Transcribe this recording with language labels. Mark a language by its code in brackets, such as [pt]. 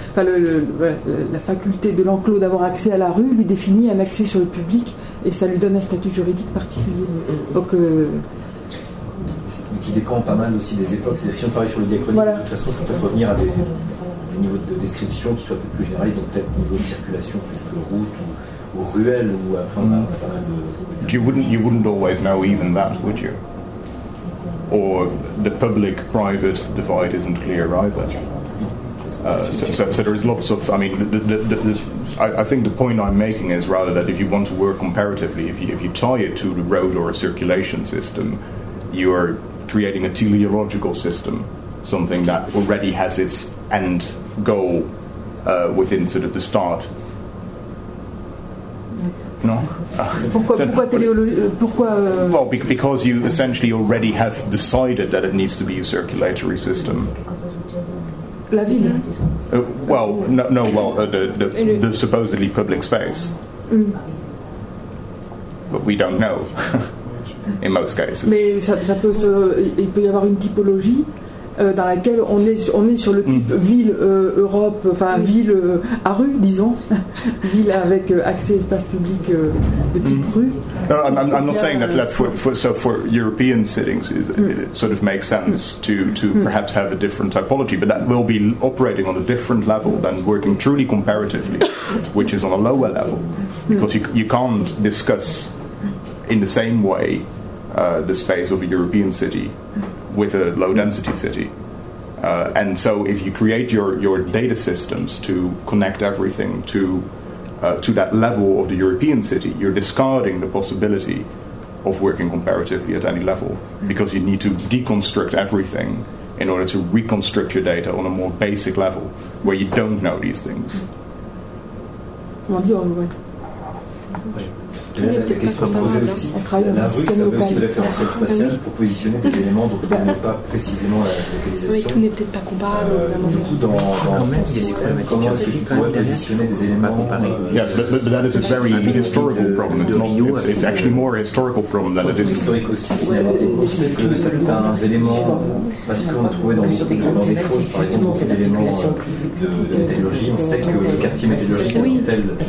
[fr] Enfin, la faculté de l'enclos d'avoir accès à la rue lui définit un accès sur le public et ça lui donne un statut juridique particulier. Donc. Qui dépend pas mal aussi des époques. C'est-à-dire, si on travaille sur le diachronique, voilà. De toute façon, il faut peut-être revenir à des niveaux de description qui soient peut-être plus généralistes, donc peut-être niveau de circulation plus que route ou ruelle ou enfin, on a pas mal de. [en] You wouldn't always know even that, would you? Or the public-private divide isn't clear either. So there is lots of. I mean, I think the point I'm making is rather that if you want to work comparatively, if you tie it to the road or a circulation system, you are creating a teleological system, something that already has its end goal within sort of the start. No. [fr] Pourquoi [en] because you essentially already have decided that it needs to be a circulatory system. [fr] La ville. [en] The supposedly public space. Mm. But we don't know. In most cases. [fr] Mais ça peut se, il peut y avoir une typologie dans laquelle on est sur le type ville Europe, enfin ville à rue, disons, ville avec accès à espace public de type rue. [en] I'm not saying that for European settings it sort of makes sense to perhaps have a different typology, but that will be operating on a different level than working truly comparatively, which is on a lower level, because you can't discuss in the same way the space of a European city with a low-density city. And so if you create your data systems to connect everything to that level of the European city, you're discarding the possibility of working comparatively at any level, because you need to deconstruct everything in order to reconstruct your data on a more basic level where you don't know these things. [fr] La question à poser aussi, la rue, ça veut aussi le référentiel spatial pour positionner des éléments dont on ne connaît pas précisément la localisation. Oui, tout n'est peut-être pas comparable. Du coup, comment est-ce que tu pourrais positionner des éléments comparés? [en] But that is a very historical problem. It's actually more a historical problem than it is. [fr] Historique aussi, finalement. C'est que certains éléments, parce qu'on a trouvé dans des fosses, par exemple, des éléments de météorologie, on sait que le quartier météorologique est tel.